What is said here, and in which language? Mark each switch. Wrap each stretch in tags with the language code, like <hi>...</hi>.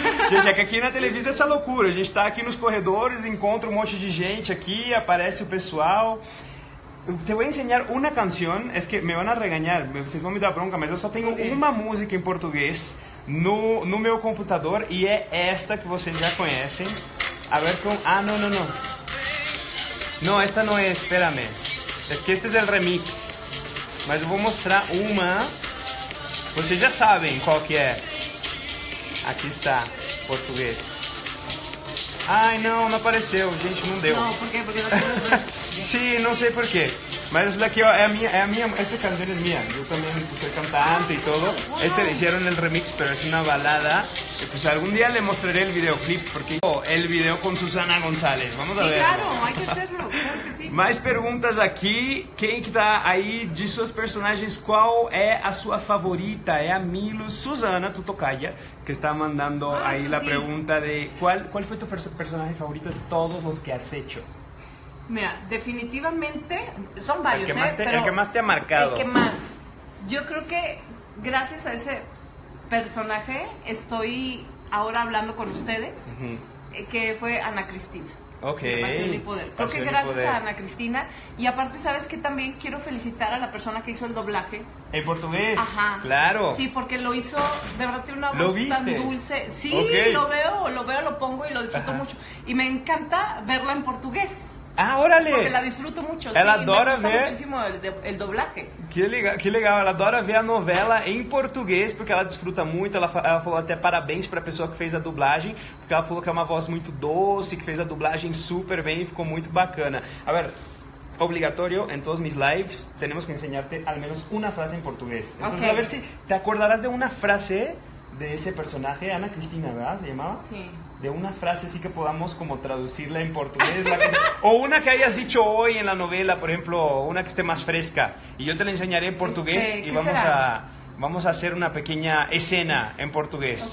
<pt>Gente, é que aqui na televisão é essa loucura. A gente tá aqui nos corredores, encontra um monte de gente aqui, aparece o pessoal...</pt> <es>Te voy a enseñar una canción, es que me van a regañar, ustedes van a me dar bronca, pero yo solo tengo una música en portugués</es> <pt>no mi computador</pt> <es>y es esta que ustedes ya conocen. A ver con... Ah, no. No, esta no es, espérame. Es que este es el remix. Pero voy a mostrar una. Ustedes ya saben cuál que es. Aquí está, portugués.</es> <pt>Ai, não, não apareceu, gente, não deu. Não, por quê? Sim, não sei por quê. Mas essa daqui, ó, é a minha, esta canção é minha. Eu também sou cantante e tudo. Este fizeram o remix,</pt> <es>pero</es> <pt>é uma balada. E,</pt> <es>pues,</es> <pt>algum dia</pt> <es>le mostraré</es> <pt>o videoclip, porque o video com Susana González.</pt> <es>Vamos a ver. Sí, claro, hay que hacerlo. Claro que sí.</es> <pt>Mais perguntas aqui. Quem que tá aí de suas personagens, qual é a sua favorita? É a Milo, Susana, tu tocaia.</pt> <es>Que está mandando ahí la pregunta de ¿cuál fue tu personaje favorito de todos los que has hecho? Mira, definitivamente son varios, el que más te ha marcado. El que más. Yo creo que gracias a ese personaje estoy ahora hablando con ustedes, que fue Ana Cristina. Ok. Creo que gracias a Ana Cristina. Y aparte, ¿sabes qué? También quiero felicitar a la persona que hizo el doblaje. ¿En portugués? Ajá. Claro. Sí, porque lo hizo, de verdad, tiene una voz tan dulce. Sí, lo veo, lo pongo y lo disfruto mucho. Y me encanta verla en portugués. Ah, órale. Porque la disfruto mucho.</es> <pt>Ela adora ver.</pt> <es>Me gusta muchísimo el doblaje.</es> <pt>Que legal, ela adora ver a novela em português, porque ela desfruta muito. Ela falou até parabéns para a pessoa que fez a dublagem, porque ela falou que é uma voz muito doce, que fez a dublagem super bem e ficou muito bacana. A ver, obrigatório, em todos</pt> <es>mis lives,</es> <pt>temos que</pt> <es>enseñarte al menos</es> <pt>uma frase em português. Então,</pt> <en>okay.</en> <pt>A ver se te acordarás de uma frase</pt> <es>de ese personaje, Ana Cristina, ¿verdad? ¿Se llamaba? Sí. De una frase así que podamos como traducirla en portugués. La frase, o una que hayas dicho hoy en la novela, por ejemplo, una que esté más fresca. Y yo te la enseñaré en portugués y vamos a hacer una pequeña escena en portugués.</es>